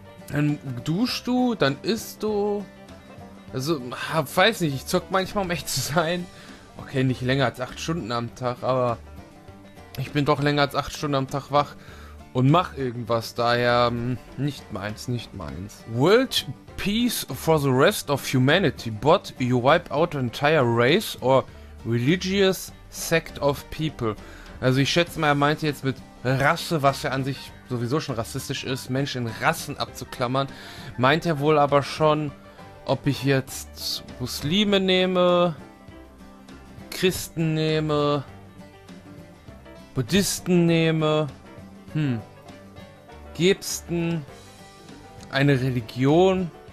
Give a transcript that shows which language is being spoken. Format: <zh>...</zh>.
<de>Dann duschst du, dann isst du. Also, weiß nicht, ich zock manchmal, um echt zu sein. Okay, nicht länger als 8 Stunden am Tag, aber ich bin doch länger als 8 Stunden am Tag wach und mach irgendwas. Daher nicht meins.</de> <en>World Peace for the rest of humanity, but you wipe out an entire race or religious sect of people.</en> <de>Also ich schätze mal, er meinte jetzt mit Rasse, was ja an sich sowieso schon rassistisch ist, Menschen in Rassen abzuklammern, meint er wohl aber schon, ob ich jetzt Muslime nehme, Christen nehme, Buddhisten nehme, Gibsten, eine Religion...</de>